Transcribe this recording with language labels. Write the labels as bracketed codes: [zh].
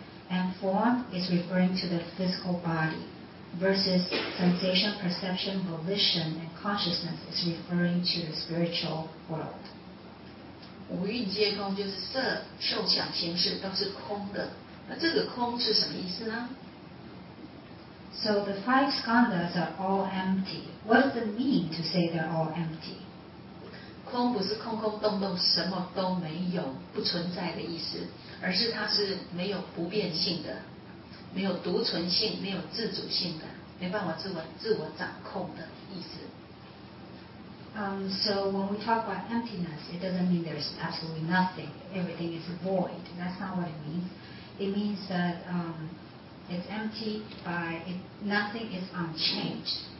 [en] And form is referring to the physical body, versus sensation, perception, volition, and consciousness is referring to the spiritual world. [zh] 五蕴皆空，就是色、受、想、行、识都是空的。那这个空是什么意思呢？ [en] So the five skandhas are all empty. What does it mean to say they're all empty? [zh] 空不是空空洞洞，什么都没有，不存在的意思，而是它是没有不变性的，没有独存性，没有自主性的，没办法自我掌控的意思。 [en] So when we talk about emptiness, it doesn't mean there's absolutely nothing. Everything is void. That's not what it means. It means that it's empty, nothing is unchanged.